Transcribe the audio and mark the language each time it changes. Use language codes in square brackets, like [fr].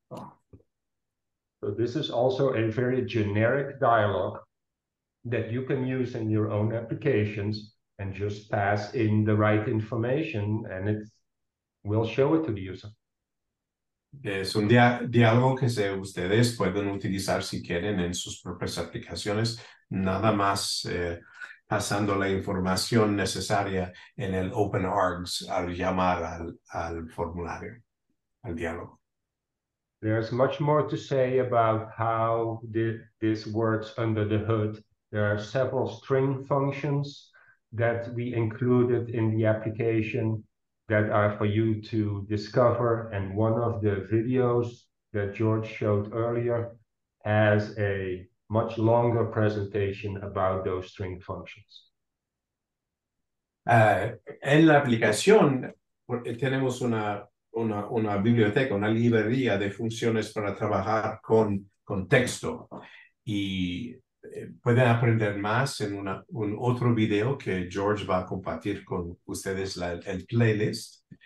[en] So this is also a very generic dialogue that you can use in your own applications and just pass in the right information and it will show it to the user. [es] Es un diálogo que ustedes pueden utilizar si quieren en sus propias aplicaciones, nada más pasando la información necesaria en el OpenArcs al llamar al formulario, al diálogo. [en] There's much more to say about how this works under the hood. There are several string functions that we included in the application that are for you to discover. And one of the videos that George showed earlier has a much longer presentation about those string functions. [es] En la aplicación tenemos una biblioteca, una librería de funciones para trabajar con texto. Y pueden aprender más en un otro video que George va a compartir con ustedes, el playlist.